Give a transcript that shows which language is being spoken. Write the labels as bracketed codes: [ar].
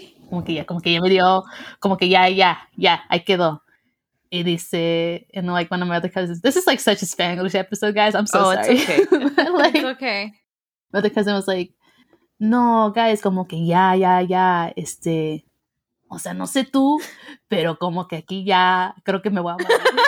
[es] como que ya me dio, como que ya, ya, ya, ahí quedó. Y dice, [en] and like one of my other cousins, this is like such a Spanglish episode, guys. I'm so sorry. It's okay. Like, it's okay. My other cousin was like, [es] no, guys, como que ya, ya, ya, o sea, no sé tú, pero como que aquí ya, creo que me voy a matar.